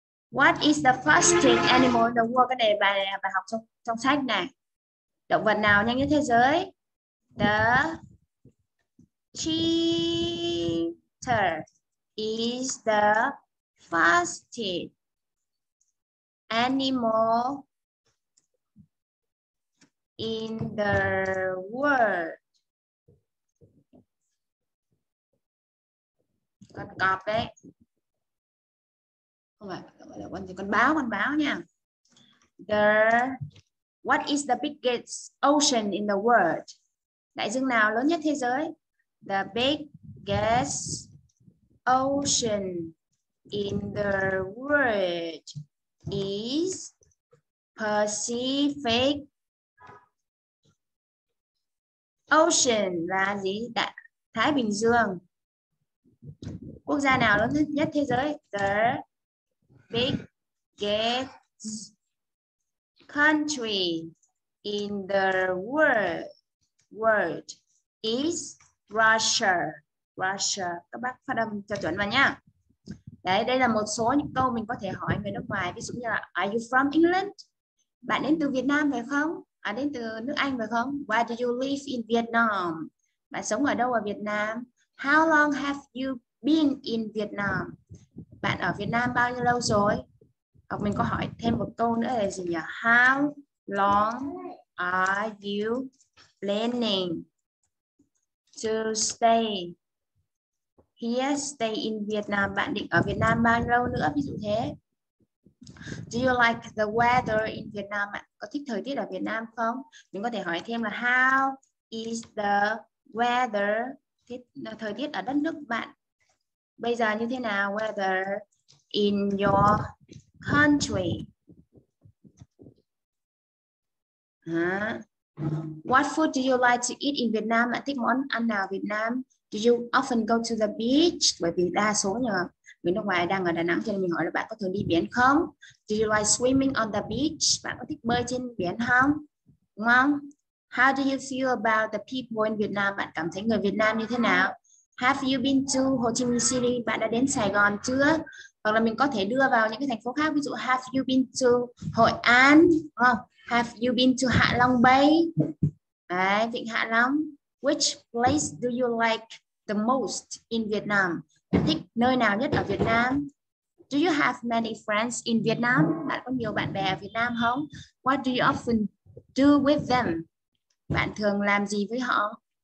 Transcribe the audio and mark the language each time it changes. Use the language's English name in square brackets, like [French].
[English] What is the fastest animal in the world? [Vietnamese] Cái này bài học trong sách nè. Động vật nào nhanh nhất thế giới? [English] The cheetah is the fastest animal in the world. [Vietnamese] Con cọp ấy. Không phải, con báo nha. [English] What is the biggest ocean in the world? [Vietnamese] Đại dương nào lớn nhất thế giới? [English] The biggest ocean in the world is Pacific Ocean, [Vietnamese] là gì? Thái Bình Dương. Quốc gia nào lớn nhất thế giới? [English] The biggest country in the world is Russia. [Vietnamese] Russia, các bác phát âm cho chuẩn vào nhá. Đấy, đây là một số những câu mình có thể hỏi người nước ngoài, ví dụ như là [English] are you from England? [Vietnamese] Bạn đến từ Việt Nam phải không? À, đến từ nước Anh phải không? [English] Where do you live in Vietnam? [Vietnamese] Bạn sống ở đâu ở Việt Nam? [English] How long have you been in Vietnam? [Vietnamese] Bạn ở Việt Nam bao nhiêu lâu rồi? Hoặc mình có hỏi thêm một câu nữa là gì nhỉ? [English] How long are you planning to stay here, stay in Vietnam? [Vietnamese] Bạn định ở Việt Nam bao lâu nữa? Ví dụ thế. [English] Do you like the weather in Vietnam? [Vietnamese] Bạn có thích thời tiết ở Việt Nam không? Mình có thể hỏi thêm là [English] how is the weather, [Vietnamese] thời tiết ở đất nước bạn bây giờ như thế nào? [English] Weather in your country. Hả? What food do you like to eat in Vietnam? [Vietnamese] Bạn thích món ăn nào Việt Nam? [English] Do you often go to the beach? [Vietnamese] Bởi vì đa số nhờ người nước ngoài đang ở Đà Nẵng, cho nên mình hỏi là bạn có thường đi biển không? [English] Do you like swimming on the beach? [Vietnamese] Bạn có thích bơi trên biển không? Đúng không? [English] How do you feel about the people in Vietnam? [Vietnamese] Bạn cảm thấy người Việt Nam như thế nào? [English] Have you been to Ho Chi Minh City? [Vietnamese] Bạn đã đến Sài Gòn chưa? Hoặc là mình có thể đưa vào những cái thành phố khác, ví dụ [English] have you been to Hội An? [Vietnamese] Đúng không? [English] Have you been to Hạ Long Bay? [Vietnamese] Đấy, Vịnh Hạ Long. [English] Which place do you like the most in Vietnam? [Vietnamese] Bạn thích nơi nào nhất ở Việt Nam? [English] Do you have many friends in Vietnam? [Vietnamese] Bạn có nhiều bạn bè ở Việt Nam không? [English] What do you often do with them? [Vietnamese] Bạn thường làm gì với họ?